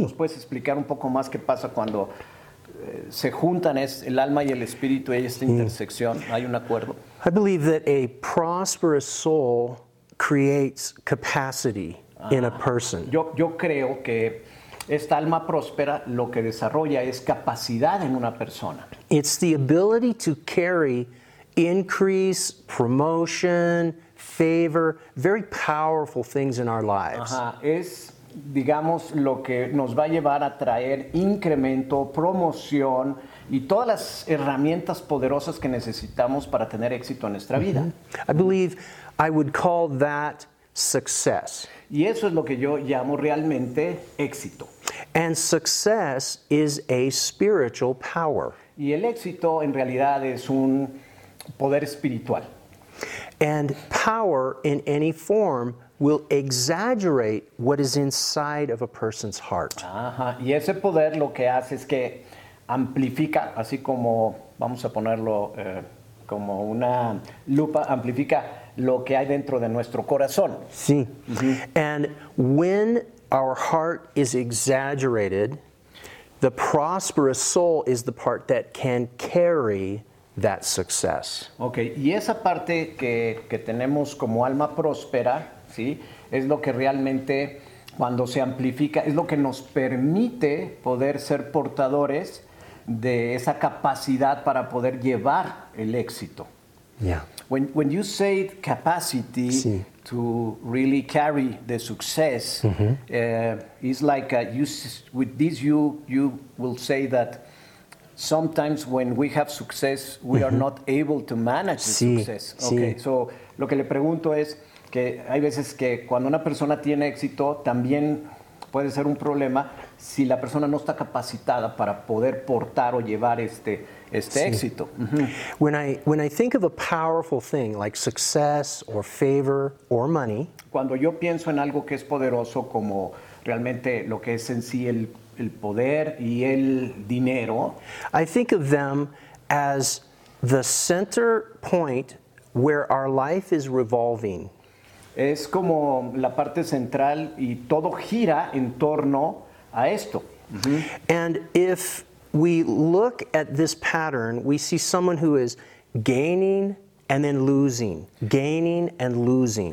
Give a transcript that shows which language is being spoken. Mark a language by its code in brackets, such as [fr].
[es] ¿Nos puedes explicar un poco más qué pasa cuando se juntan es el alma y el espíritu y esta intersección? ¿Hay un acuerdo? [en] I believe that a prosperous soul creates capacity in a person. [es] Yo creo que esta alma próspera lo que desarrolla es capacidad en una persona. [en] It's the ability to carry increase, promotion, favor, very powerful things in our lives. [es] Ajá. Es, digamos, lo que nos va a llevar a traer incremento, promoción y todas las herramientas poderosas que necesitamos para tener éxito en nuestra vida. [en] I believe I would call that success. [es] Y eso es lo que yo llamo realmente éxito. [en] And success is a spiritual power. [es] Y el éxito en realidad es un poder espiritual. [en] And power in any form will exaggerate what is inside of a person's heart. [es] Ajá. Y ese poder lo que hace es que amplifica, así como vamos a ponerlo como una lupa, amplifica lo que hay dentro de nuestro corazón. Sí. Mm-hmm. [en] And when our heart is exaggerated, the prosperous soul is the part that can carry that success. Okay. [es] Y esa parte que tenemos como alma próspera, ¿sí? Es lo que realmente cuando se amplifica, es lo que nos permite poder ser portadores de esa capacidad para poder llevar el éxito. [en] Yeah. When you say capacity sí. To really carry the success, mm-hmm. It's like you will say that sometimes when we have success, we mm-hmm. are not able to manage the [es] sí. [en] Success. Okay. [es] Sí. So lo que le pregunto es, que hay veces que cuando una persona tiene éxito también puede ser un problema si la persona no está capacitada para poder portar o llevar este sí. éxito. Uh-huh. [en] When I think of a powerful thing like success or favor or money, [es] cuando yo pienso en algo que es poderoso como realmente lo que es en sí el poder y el dinero, [en] I think of them as the center point where our life is revolving. [es] Es como la parte central y todo gira en torno a esto. Mm-hmm. [en] And if we look at this pattern, we see someone who is gaining and then losing, gaining and losing.